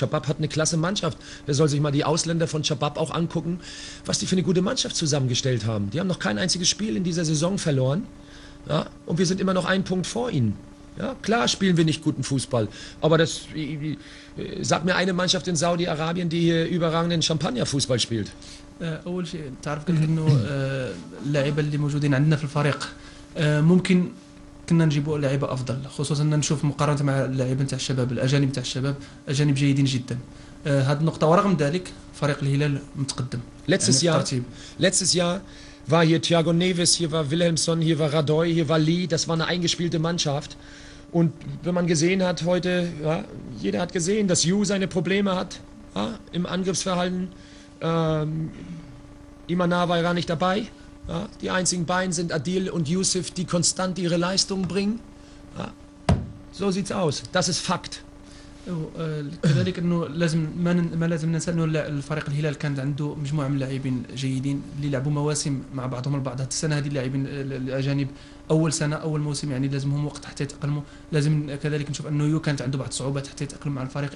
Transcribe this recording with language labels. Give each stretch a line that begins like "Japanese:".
German: Chabab hat eine klasse Mannschaft. Wer soll sich mal die Ausländer von Chabab auch angucken, was die für eine gute Mannschaft zusammengestellt haben. Die haben noch kein einziges Spiel in dieser Saison verloren, ja, und wir sind immer noch einen Punkt vor ihnen. Ja, klar spielen wir nicht guten Fußball, aber das sagt mir eine Mannschaft in Saudi-Arabien, die hier überragenden Champagner-Fußball spielt.
Arabic: أول شيء تعرف قلت إنه اللاعب اللي موجودين عندنا في الفريق ممكن كنا نجيبوا لعيبة أفضل، خصوصا إن نشوف مقارنة مع اللاعبين تاع الشباب الأجانب تاع الشباب أجانب جيدين جدا. هذه النقطة ورغم ذلك فريق الهلال متقدم.
German: Letztes Jahr war hier Thiago Neves, hier war Wilhelmsson, hier war Radoy, hier war Lee, das war eine eingespielte Mannschaft. Und wenn man gesehen hat heute, ja, jeder hat gesehen, dass Yu seine Probleme hat, ja, im Angriffsverhalten. Imanawa war nicht dabei. Ja. Die einzigen beiden sind Adil und Yusuf, die konstant ihre Leistungen bringen. Ja. So sieht's aus. Das ist Fakt.
Arabic: كذلك انه لازم ما لازم ننسى انه الفريق الهلال كان عنده مجموعه من اللاعبين جيدين اللي لعبوا مواسم مع بعضهم البعض. السنه هذه اللاعبين الاجانب اول سنه اول موسم، يعني لازم هم وقت حتى يتاقلموا. لازم كذلك نشوف انه يو كانت عنده بعض الصعوبات حتى يتاقلم مع الفريق.